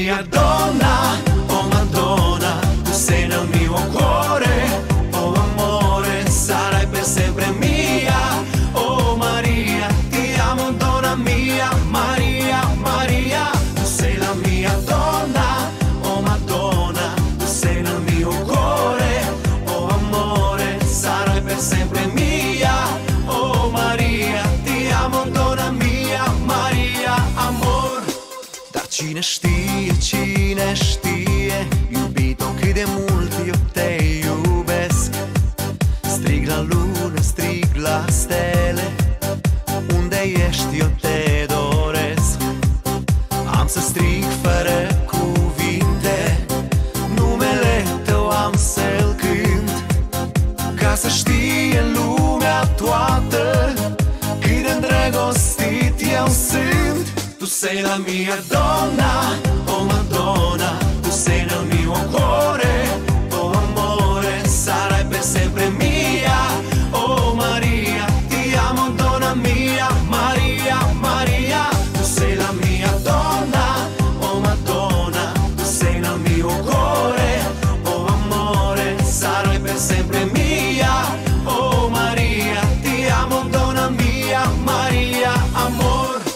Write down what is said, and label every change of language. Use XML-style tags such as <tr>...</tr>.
<it>donna, oh Madonna, tu sei nel mio cuore, oh amore, sarai per sempre mia, oh Maria, ti amo donna mia, Maria, Maria, tu sei la mia donna, oh Madonna, tu sei nel mio cuore, oh amore, sarai per sempre mia, oh Maria, ti amo donna mia, Maria, amor.</it> <ro>Da cine știe, cine știe, iubito cât de mult eu te iubesc, strig la lună, strig la stele, unde ești eu te doresc, am să strig fără cuvinte, numele tău am să-l cânt, ca să știe lumea toată, cât de îndrăgostit eu sunt.</ro> <it>Tu sei la mia donna, oh Madonna, tu sei nel mio cuore, oh amore, sarai per sempre mia, oh Maria, ti amo donna mia, Maria, Maria, tu sei la mia donna, oh Madonna, tu sei nel mio cuore, oh amore, sarai per sempre mia, oh Maria, ti amo donna mia, Maria, amor.</it>